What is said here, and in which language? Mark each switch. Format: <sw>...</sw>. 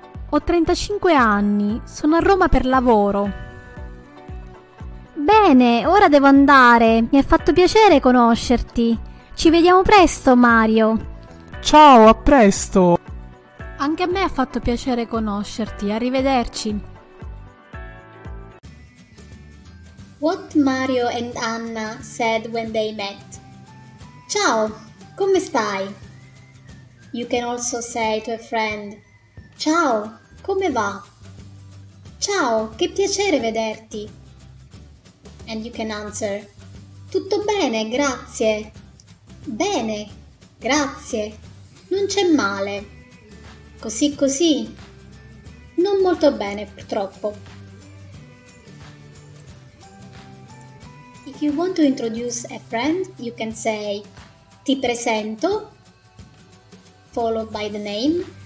<it>Ho 35 anni, sono a Roma per lavoro. Bene, ora devo andare. Mi è fatto piacere conoscerti. Ci vediamo presto, Mario. Ciao, a presto. Anche a me ha fatto piacere conoscerti. Arrivederci.</it> <en>What Mario and Anna said when they met.</en> <it>Ciao, come stai?</it> <en>You can also say to a friend.</en> <it>Ciao, come va? Ciao, che piacere vederti.</it> <en>And you can answer.</en> <it>Tutto bene, grazie. Bene, grazie. Non c'è male. Così così. Non molto bene, purtroppo.</it> <en>If you want to introduce a friend, you can say</en> <it>ti presento,</it> <en>followed by the name.</en>